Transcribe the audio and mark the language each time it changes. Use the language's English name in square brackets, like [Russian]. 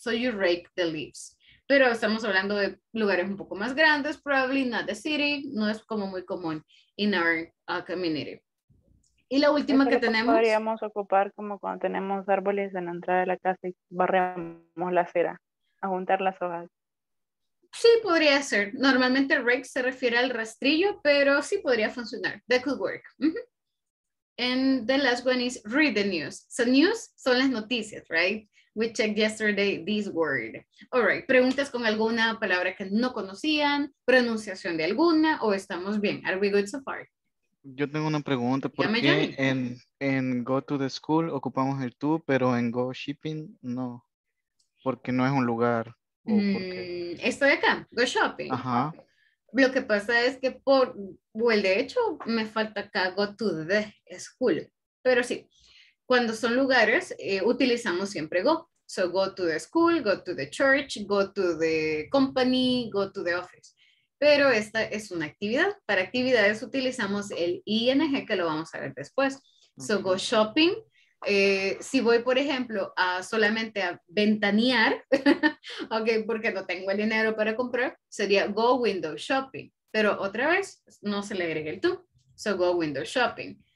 [English] So you rake the leaves. [Spanish] Pero estamos hablando de lugares un poco más grandes, [English] probably not the city, [Spanish] no es como muy común [English] in our community. [Spanish] Y la última que tenemos. Podríamos ocupar como cuando tenemos árboles en la entrada de la casa y barremos la acera, a juntar las hojas. Sí, podría ser. Normalmente rake se refiere al rastrillo, pero sí podría funcionar. [English] That could work. Mm-hmm. And the last one is read the news. So news [Spanish] son las noticias, [English] right? We checked yesterday this word. [Spanish] All right, preguntas con alguna palabra que no conocían, pronunciación de alguna, o estamos bien. [English] Are we good so far? [Spanish] Yo tengo una pregunta. ¿Por qué en go to the school ocupamos el to, pero en go shopping no? Porque no es un lugar. Esto de acá, go shopping. Ajá. Lo que pasa es que por, well, de hecho, me falta acá go to the school, pero sí. Cuando son lugares, utilizamos siempre go. [English] So go to the school, go to the church, go to the company, go to the office. [Spanish] Pero esta es una actividad. Para actividades utilizamos el ing que lo vamos a ver después. [English] So go shopping. [Spanish] Si voy, por ejemplo, a solamente a ventanear, okay, porque no tengo el dinero para comprar, sería go window shopping. Pero otra vez, no se le agrega el tú. [English] So go window shopping.